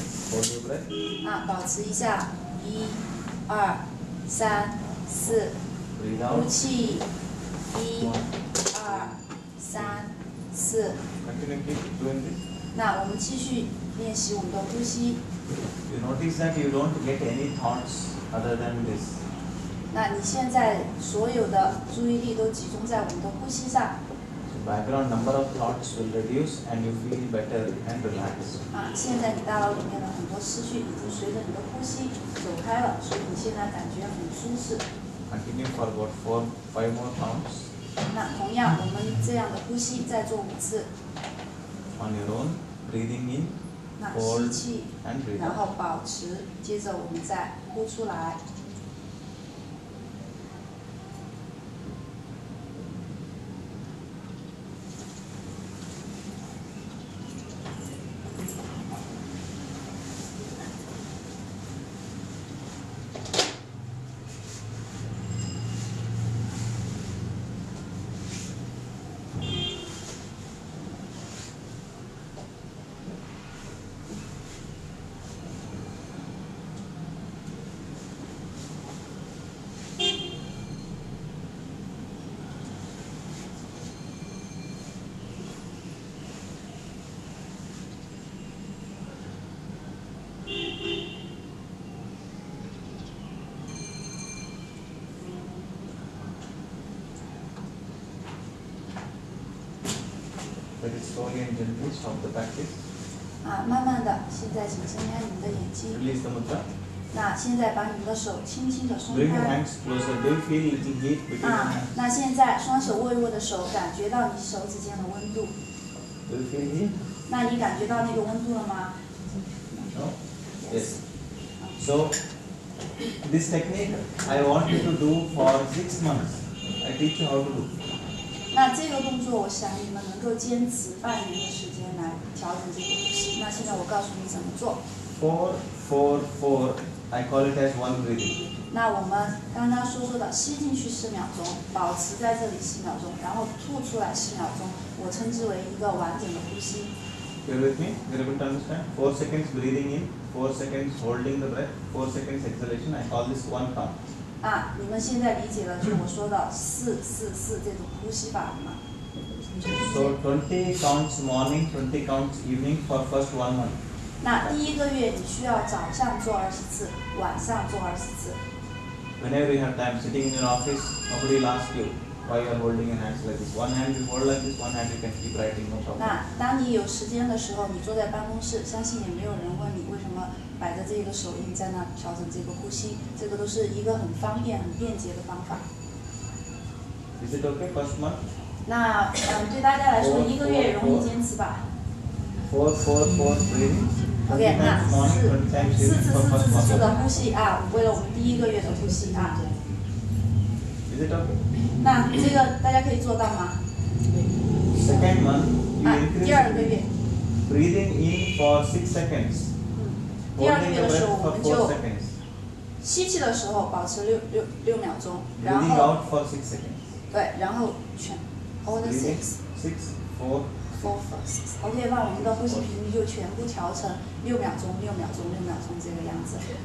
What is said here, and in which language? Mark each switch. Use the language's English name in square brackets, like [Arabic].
[English] Hold your breath。 [Chinese] 啊，保持一下。一，二，三，四。 [English] Breathe out。 [Chinese] 呼气。一，二，三，四。 [English] Continue keep doing this。 [Chinese] 那我们继续练习我们的呼吸。 [English] You notice that you don't get any thoughts other than this. [Chinese] 那你现在所有的注意力都集中在我们的呼吸上。 [English] So background number of thoughts will reduce, and you feel better and relaxed. [Chinese] 啊，现在你大脑里面的很多思绪已经随着你的呼吸走开了，所以你现在感觉很舒适。 [English] Continue for about five more thoughts. [Chinese] 那同样，我们这样的呼吸再做五次。 [English] On your own, breathing in. [Chinese] 那吸气，然后保持，接着我们再呼出来。 [English] Slowly and gently stop the practice. [Chinese] 啊，慢慢的，现在请睁开你们的眼睛。 [English] Release the mudra. [Chinese] 那现在把你们的手轻轻的松开。 [English] Bring your hands closer. Do you feel it in heat between your hands? [Chinese] 那现在双手握一握的手，感觉到你手指间的温度。 [English] Do you feel it? [Chinese] 那你感觉到那个温度了吗 [English] ？No. Yes. So this technique I want you to do for 6 months. I teach you how to do. [Chinese] 那这个动作，我想你们能够坚持半年的时间来调整这个呼吸。那现在我告诉你怎么做。 [English] 4 4 4 I call it as one breathing。 [Chinese] 那我们刚刚说的，吸进去10秒钟，保持在这里10秒钟，然后吐出来10秒钟，我称之为一个完整的呼吸。 [English] You're with me? You're able to understand? 4 seconds breathing in, 4 seconds holding the breath, 4 seconds exhalation. I call this one count. [Chinese] 啊，你们现在理解了就我说的4 4 4这种呼吸法了吗 [English] ？So 20 counts morning, 20 counts evening for first 1 month. [Chinese] 那第一个月你需要早上做20次，晚上做20次。 [English] Whenever you have time sitting in your office, nobody will ask you why you are holding your hands like this. One hand you hold like this, one hand you can keep writing, no problem. [Chinese] 那当你有时间的时候，你坐在办公室，相信也没有人问你为什么。摆着这个手印在那调整这个呼吸，这个都是一个很方便、很便捷的方法。 [English] Is it okay, first month? [Chinese] 那对大家来说，一个月容易坚持吧。 [English] 4 4 4 breathing. [Chinese] OK， 那四次的呼吸啊，为了我们第一个月的呼吸啊。 [English] Is it okay? [Chinese] 那这个大家可以做到吗 [English] ？Second month, you increase. [Chinese] 第二个月。 [English] Breathing in for 6 seconds. [Chinese] 第二个月的时候，我们就吸气的时候保持六秒钟，然后 [English] breathing out for 6 seconds. [Chinese] 对，然后全 [English] hold the six six four four four six. [Chinese] OK， 把我们的呼吸频率就全部调成六秒钟这个样子。